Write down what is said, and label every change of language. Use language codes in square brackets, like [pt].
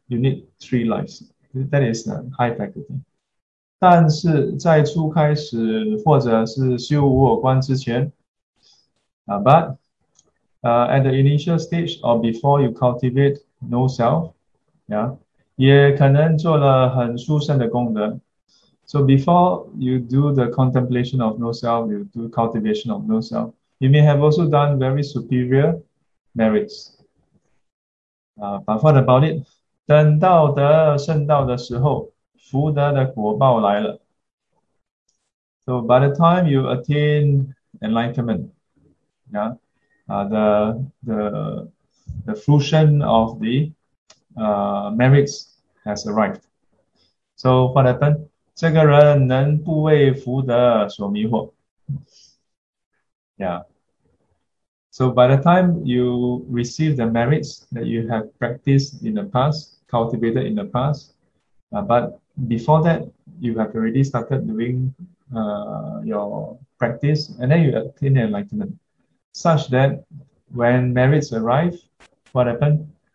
[en] You need three lives. That is the high faculty. [zh] 但是在初开始或者是修无我观之前, [en] at the initial stage or before you cultivate no self, yeah, [zh] 也可能做了很殊胜的功德. [en] So before you do the contemplation of no self, you do cultivation of no self, you may have also done very superior merits. But what about it? [zh] 等到得圣道的时候, 福德的果报来了. [en] So by the time you attain enlightenment, yeah, the fruition of the merits has arrived. So what happened? [zh] 这个人能不为福德所迷惑. [en] Yeah. So by the time you receive the merits that you have practiced in the past, cultivated in the past, but before that, you have already started doing your practice, and then you attain enlightenment, such that when merits arrive, what happened?